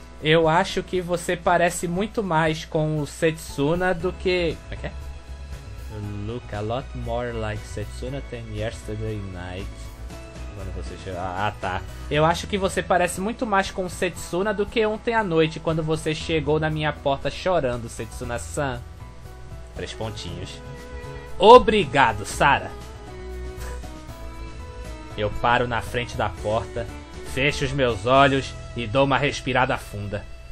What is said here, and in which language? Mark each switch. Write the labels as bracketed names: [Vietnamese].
[Portuguese] Eu acho que você parece muito mais com o Setsuna do que... Como é que é? [English] You look a lot more like Setsuna than yesterday night. [Portuguese] Quando você chegou... Ah, tá. Eu acho que você parece muito mais com o Setsuna do que ontem à noite, quando você chegou na minha porta chorando, Setsuna-san. Três pontinhos. Obrigado, Sara. Eu paro na frente da porta, fecho os meus olhos e dou uma respirada funda.